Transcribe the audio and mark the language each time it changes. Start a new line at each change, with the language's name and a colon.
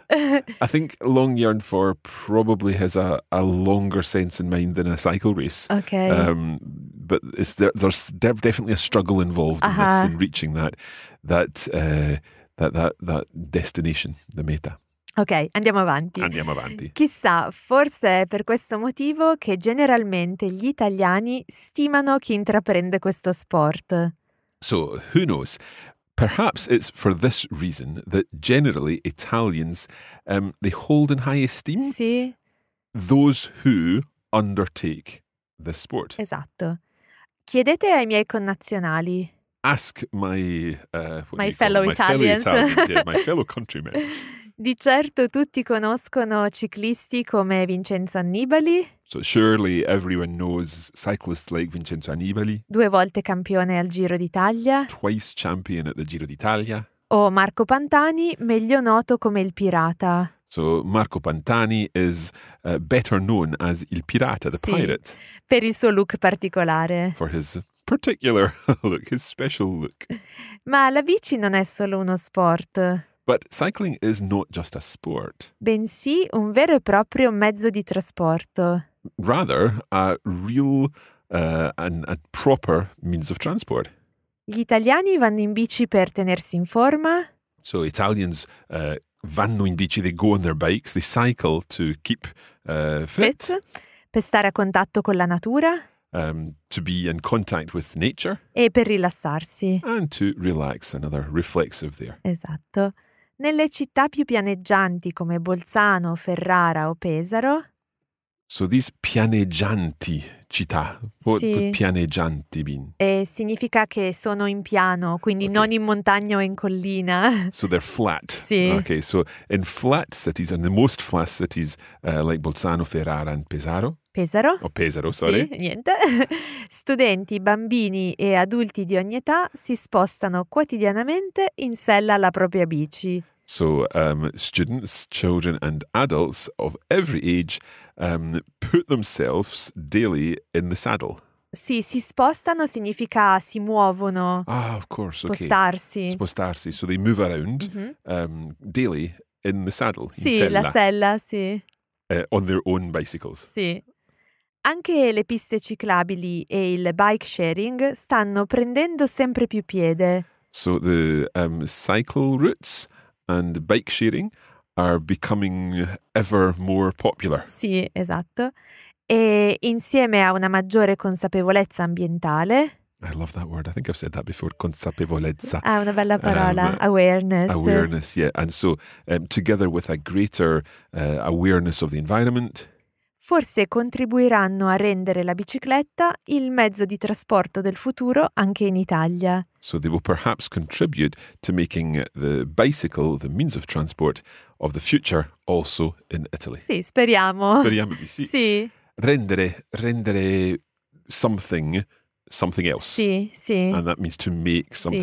English: I think long yearned for probably has a longer sense in mind than a cycle race. Okay. But there's definitely a struggle involved in this, in reaching that destination, the meta.
Italian: Ok, andiamo avanti. Chissà, forse è per questo motivo che generalmente gli italiani stimano chi intraprende questo sport.
English: So, who knows? Perhaps it's for this reason that generally Italians, they hold in high esteem those who undertake this sport.
Italian: Esatto. Chiedete ai miei connazionali.
English: Ask my fellow countrymen.
Italian: Di certo tutti conoscono ciclisti come Vincenzo Annibali.
English: So surely everyone knows cyclists like Vincenzo Annibali.
Italian: Due volte campione al Giro d'Italia.
English: Twice champion at the Giro d'Italia.
Italian: O Marco Pantani, meglio noto come il Pirata.
English: So Marco Pantani is better known as il Pirata, the pirate.
Italian: Per il suo look particolare.
English: For his particular look, his special look.
Italian: Ma la bici non è solo uno sport.
English: But cycling is not just a sport.
Italian: Bensì un vero e proprio mezzo di trasporto.
English: Rather, a real and proper means of transport.
Italian: Gli italiani vanno in bici per tenersi in forma.
English: So Italians
Italian: vanno in bici,
English: they go on their bikes, they cycle to keep fit.
Italian: Per stare a contatto con la natura.
English: To be in contact with nature.
Italian: E per rilassarsi.
English: And to relax, another reflexive there.
Italian: Esatto. Nelle città più pianeggianti come Bolzano, Ferrara o Pesaro.
English: So these
Italian: pianeggianti città.
English: What would pianeggianti mean?
Italian: Significa che sono in piano, quindi non in montagna o in collina.
English: So they're flat.
Italian: Sì.
English: Okay, so in flat cities, and the most flat cities like Bolzano, Ferrara and Pesaro.
Italian: Pesaro. Studenti, bambini e adulti di ogni età si spostano quotidianamente in sella alla propria bici.
English: So, students, children and adults of every age put themselves daily in the saddle.
Italian: Sì, si spostano significa si muovono.
English: Ah, of course, okay. Spostarsi. Spostarsi, so they move around daily in the saddle,
Italian: sì, in sella. La sella, sì.
English: On their own bicycles.
Italian: Sì. Anche le piste ciclabili e il bike sharing stanno prendendo sempre più piede.
English: So the cycle routes and bike sharing are becoming ever more popular.
Italian: Sì, esatto. E insieme a una maggiore consapevolezza ambientale.
English: I love that word. I think I've said that before.
Italian: Consapevolezza. Ah, una bella parola. Awareness.
English: Awareness, yeah. And so together with a greater awareness of the environment.
Italian: Forse contribuiranno a rendere la bicicletta il mezzo di trasporto del futuro anche in Italia.
English: So they will perhaps contribute to making the bicycle the means of transport of the future also in Italy.
Italian: Sì, speriamo. Speriamo di sì. Sì.
English: Rendere something else.
Italian: Sì, sì.
English: And that means to make something.